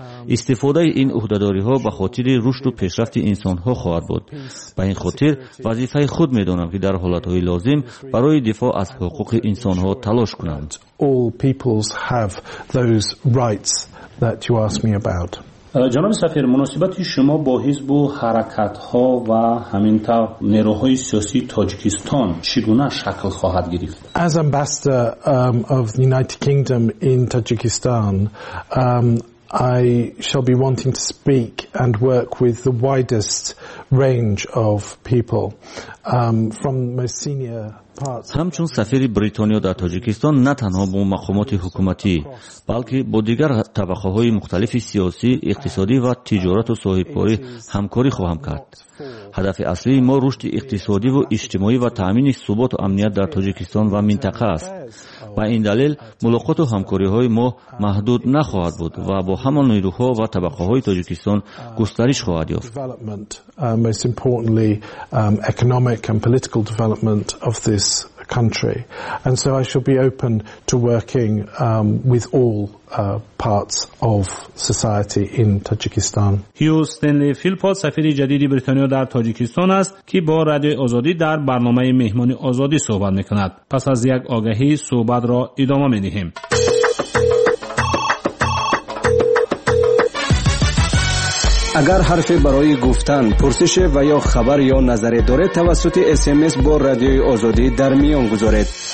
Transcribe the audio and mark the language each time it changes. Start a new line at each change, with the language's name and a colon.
Persian: استفاده این عهده‌داری ها به خاطر رشد و پیشرفت انسان ها خواهد بود. به این خاطر وظیفه خود می دانم که در حالت های لازم برای دفاع از حقوق انسان ها تلاش کنم.
English: All peoples have those rights that you asked me about.
Persian: جناب سفیر، مناسبت شما با حزب و حرکت ها و همین تا نیروهای سیاسی تاجیکستان چگونه شکل خواهد گرفت؟
English: As ambassador of the United Kingdom in Tajikistan, I shall be wanting to speak and work with the widest range of people from most senior parts.
Persian: همچون سفیر بریتانیا در تاجیکستان نه تنها با مقامات حکومتی بلکه با دیگر طبقه های مختلف سیاسی، اقتصادی و تجارت و صاحبکاری همکاری خواهم کرد. هدف اصلی ما رشد اقتصادی و اجتماعی و تامین ثبات و امنیت در تاجیکستان و منطقه است. با این دلیل ملاقات و همکاری های ما محدود نخواهد بود و با همان نیروها و طبقه های تاجیکستان گسترش خواهد یافت.
English: Most importantly, economic and political development of this country. And so I shall be open to working with all parts of society in Tajikistan.
Persian: هیو استنلی فیلپوت سفیر جدید بریتانیا در تاجیکستان است که با رادیو آزادی در برنامه مهمان آزادی صحبت میکند. پس از یک آگهی صحبت را ادامه میدهیم. اگر حرفی برای گفتن، پرسش و یا خبر یا نظری دارید، توسط SMS با رادیوی آزادی در میان گذارید.